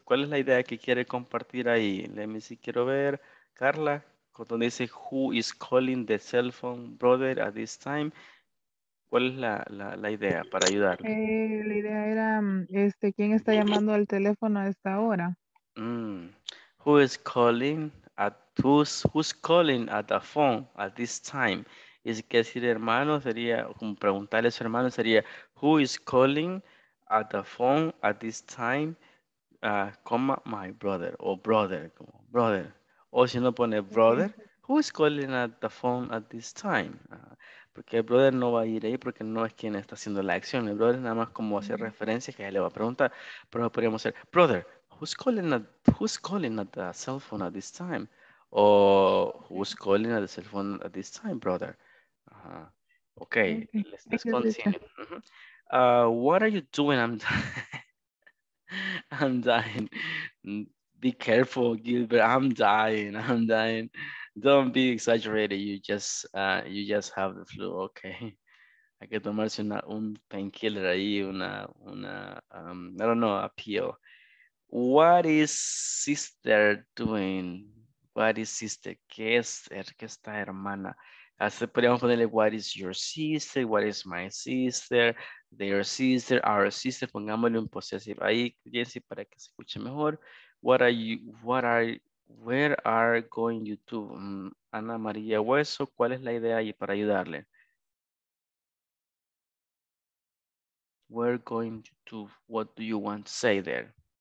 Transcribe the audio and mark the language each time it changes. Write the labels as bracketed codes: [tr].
[es] ¿Cuál es la idea que quiere compartir ahí? [en] Let me see, [es] quiero ver. [en] Carla, [es] cuando dice, [en] who is calling the cell phone brother at this time? [es] ¿Cuál es la idea para ayudar? La idea era, ¿quién está llamando al teléfono a esta hora? [en] Who is calling who's calling at the phone at this time? [es] Es que decir hermano sería, como preguntarle a su hermano sería, [en] who is calling at the phone at this time, comma, my brother, [es] o brother, como brother. O si no pone [en] brother, who is calling at the phone at this time? [es] Porque el brother no va a ir ahí porque no es quien está haciendo la acción. El brother nada más como hace referencia que le va a preguntar. Pero podríamos ser, [en] brother, who's calling at the cell phone at this time? O, who's calling at the cell phone at this time, brother? Okay, let's continue. What are you doing? I'm dying. Be careful, Gilbert. I'm dying. Don't be exaggerated. You just have the flu. Okay. [es] Hay que tomarse un painkiller ahí, [en] I don't know, a pill. What is sister doing? What is sister? [es] ¿Qué es esta hermana? Así podríamos ponerle, [en] what is your sister? What is my sister? Their sister, our sister. [es] Pongámosle un posesivo ahí, Jesse, para que se escuche mejor. [en] What are you, what are, where are going you to? [es] Ana María Hueso, ¿cuál es la idea ahí para ayudarle? [en] Where going to, what do you want to say there?